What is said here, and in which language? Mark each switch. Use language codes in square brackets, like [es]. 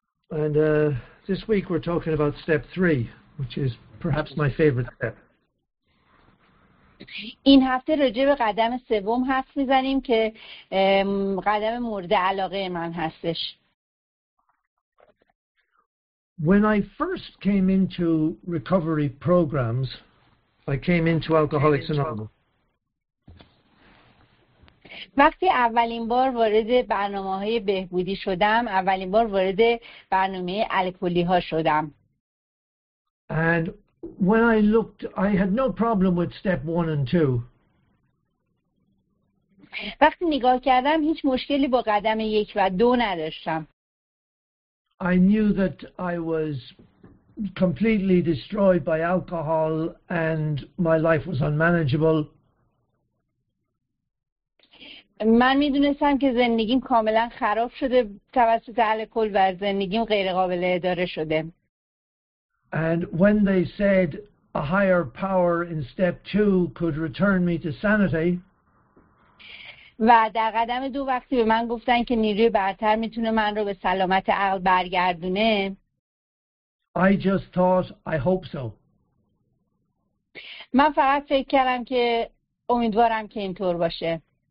[en] And this week we're talking about step 3, which is perhaps my favorite step. [fa] این هفته راجع به قدم سوم حرف می‌زنیم که قدم مورد علاقه من هستش. [en] When I first came into recovery programs, I came into Alcoholics Anonymous. [fa] وقتی اولین بار وارد برنامه‌های بهبودی شدم، اولین بار وارد برنامه الکلی‌ها شدم. [en] And when I looked, I had no problem with step 1 and 2. [fa] وقتی نگاه کردم، هیچ مشکلی با قدم 1 و 2 نداشتم. [en] I knew that I was completely destroyed by alcohol and my life was unmanageable. [fa] من میدونستم که زندگیم کاملا خراب شده توسط الکل و زندگیم غیر قابل اداره شده. [en] And when they said a higher power in step 2 could return me to sanity. [fa] و در قدم دو وقتی به من گفتن که نیروی برتر میتونه من رو به سلامت عقل برگردونه. [en] I just thought I hope so. [fa] من فقط فکر کردم که امیدوارم که اینطور باشه.